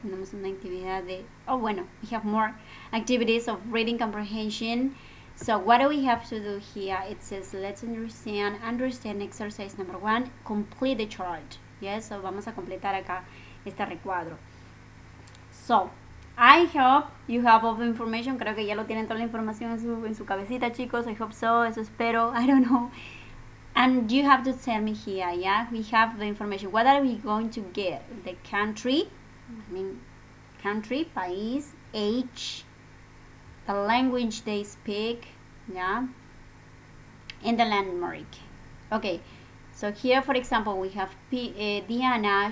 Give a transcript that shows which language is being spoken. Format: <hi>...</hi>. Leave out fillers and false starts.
<en>Tenemos una actividad de, oh bueno, we have more activities of reading comprehension. So what do we have to do here? It says let's understand exercise number one, complete the chart. Yes, so vamos a completar acá este recuadro. So, I hope you have all the information.</en> <es>Creo que ya lo tienen toda la información en su cabecita, chicos.</es> <en>I hope so. Eso espero. I don't know. And you have to tell me here, yeah? We have the information. What are we going to get? The country. I mean, country, país, age, the language they speak, yeah? And the landmark. Okay. So here, for example, we have Diana.</en>